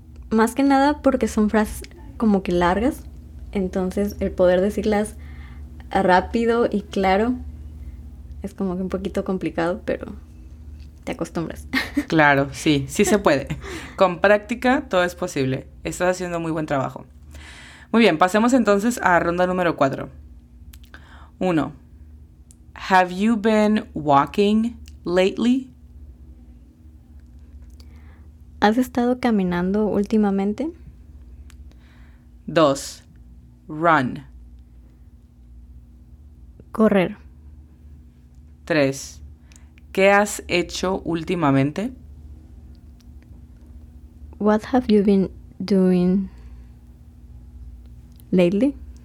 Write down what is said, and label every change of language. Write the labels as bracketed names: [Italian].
[Spanish] Más que nada porque son frases como que largas. Entonces, el poder decirlas rápido y claro es como que un poquito complicado, pero te acostumbras. Claro, sí, sí se puede. Con práctica todo es posible. Estás haciendo muy buen trabajo. Muy bien, pasemos entonces a ronda número 4. 1. [English] Have you been walking lately? [Spanish] ¿Has estado caminando últimamente? [English] 2. Run. [Spanish] Correr. 3. ¿Qué has hecho últimamente? [English] What have you been doing lately?